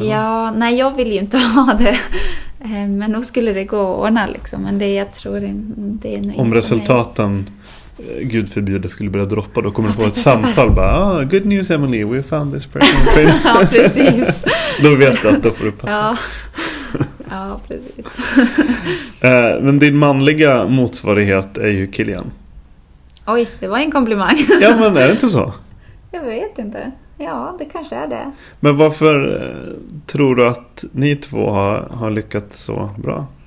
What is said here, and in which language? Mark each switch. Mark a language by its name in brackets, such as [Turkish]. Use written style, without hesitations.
[Swedish] ha. Ja, nej, jag vill ju inte ha det. Men nog skulle det gå att ordna liksom. Men det, jag tror det är om resultaten, är... gud förbjuder, skulle börja droppa, då kommer du få ett samtal. Bara, [English] oh, good news Emily, we found this person. [Swedish] Ja, precis. Då vet jag att då får du passa. Ja. Ja, precis. Men din manliga motsvarighet är ju Killian. Oj, det var en komplimang. Ja, men är det inte så? Jag vet inte. Ja, det kanske är det. Men varför tror du att ni två har lyckats så bra?